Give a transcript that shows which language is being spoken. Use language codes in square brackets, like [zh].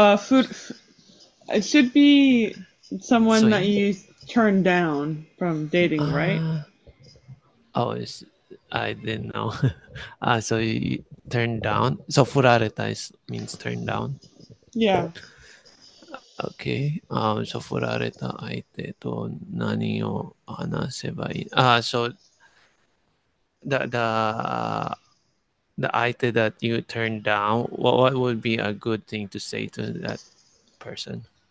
[en] It should be someone that you turn down from dating, right? I didn't know. so you turn down. So, 振られた means turn down. Yeah. Okay. [ja] So, 振られた相手と何を話せばいい？ [en] So, the 相手 that you turned down, what would be a good thing to say to that person?